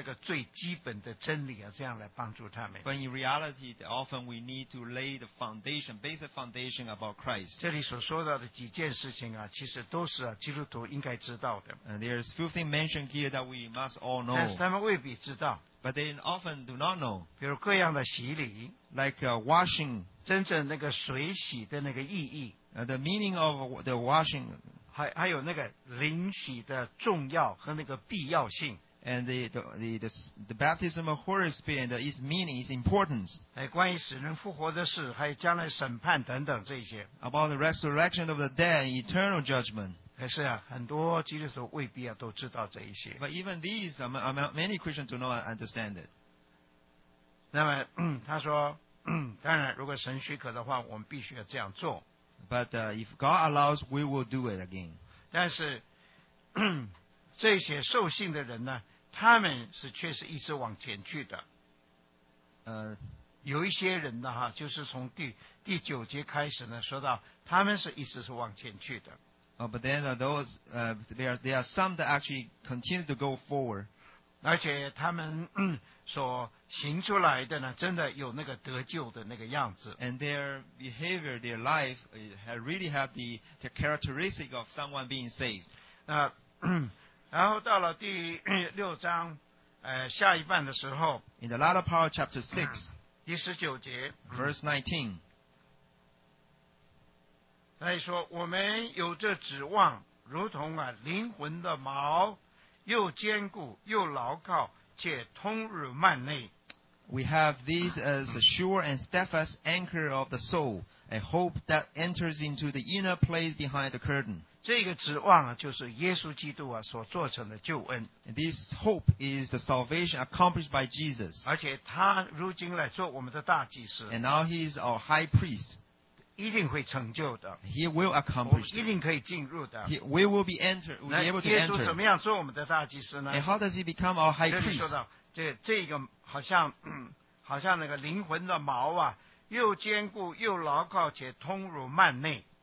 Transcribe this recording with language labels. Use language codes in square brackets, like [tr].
[zh] 可是呢，事实上哈，有很多的教会哈，还有弟兄和姐妹呢，真是必须要从那个最基本的真理啊，这样来帮助他们。But [en] in reality, often we need to lay the foundation, basic foundation about Christ. [zh] 这里所说到的几件事情啊，其实都是基督徒应该知道的。And [en] there is few things mentioned here that we must all know. [zh] 但是他们未必知道。But [en] they often do not know. [zh] 比如各样的洗礼。Like [en] washing. [zh] 真正那个水洗的那个意义。 [en] The meaning of the washing, [zh] 还有那个灵洗的重要和那个必要性, [en] and the baptism of Holy Spirit and its meaning, its importance, [zh] 关于死人复活的事, 还有将来审判等等这些, [en] about the resurrection of the dead and eternal judgment. [zh] 可是啊, 很多基督徒未必啊, 都知道这一些, [en] but even these, many Christians do not understand it. [zh] 那么他说, 当然, 如果神许可的话, 我们必须要这样做。 [en] But if God allows, we will do it again. [zh] 但是, 这些受信的人呢, 他们是确实一直往前去的。有一些人呢, 就是从第九节开始呢, 说到, 他们是一直是往前去的。 [en] But then there are some that actually continue to go forward. [zh] 而且他们, 所行出来的呢, 真的有那个得救的那个样子。 [en] And their behavior, their life, really have the characteristic of someone being saved. [zh] 然后到了第六章, 下一半的时候, [en] in the latter part of chapter 6, [zh] 第19节, [en] verse 19, [zh] 他说, 我们有这指望, 如同啊, 灵魂的锚, 又坚固, 又牢靠, 且通入幔内。 [en] We have these as a sure and steadfast anchor of the soul, a hope that enters into the inner place behind the curtain. [zh] 这个指望啊, 就是耶稣基督啊, 所做成的救恩。 [en] This hope is the salvation accomplished by Jesus. [zh] 而且他如今来做我们的大祭司。 [en] And now he is our high priest. [zh] 一定会成就的。 [en] He will accomplish. [zh] 一定可以进入的。 [en] We will be entered. We'll be able to enter. [zh] 那耶稣怎么样做我们的大祭司呢? [en] And how does he become our high priest? [zh] 这个好像那个灵魂的毛啊, 又坚固又牢靠, 且通入幔内。